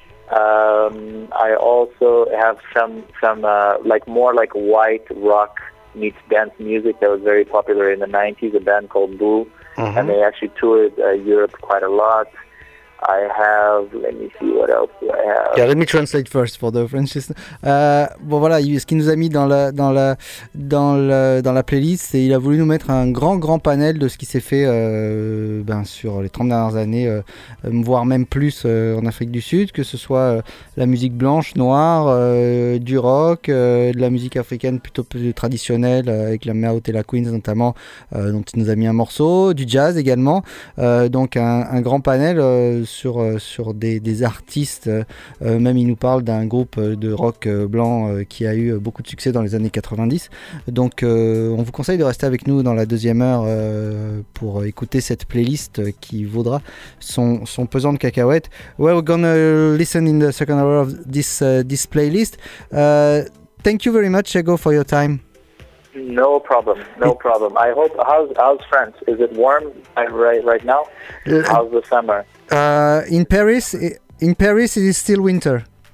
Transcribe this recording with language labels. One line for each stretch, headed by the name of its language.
English: I also have some white rock meets dance music that was very popular in the 90s, a band called Boo, mm-hmm. and they actually toured Europe quite a lot. I have, let me see what else do I have. Yeah, let me translate first for the French.
French: Bon voilà, ce qu'il nous a mis dans la playlist, c'est il a voulu nous mettre un grand panel de ce qui s'est fait sur les 30 dernières années, voire même plus en Afrique du Sud, que ce soit la musique blanche, noire, du rock, de la musique africaine plutôt plus traditionnelle, avec la Mawatela Queens notamment, dont il nous a mis un morceau, du jazz également, donc un grand panel sur des artistes. Même il nous parle d'un groupe de rock blanc qui a eu beaucoup de succès dans les années 90. Donc on vous conseille de rester avec nous dans la deuxième heure pour écouter cette playlist qui vaudra son pesant de cacahuètes.
English: Well, we're gonna listen in the second hour of this playlist. Thank you very much, Ego, for your time. No problem. I hope, how's France? Is it warm right now? How's the summer? In Paris, it is still winter.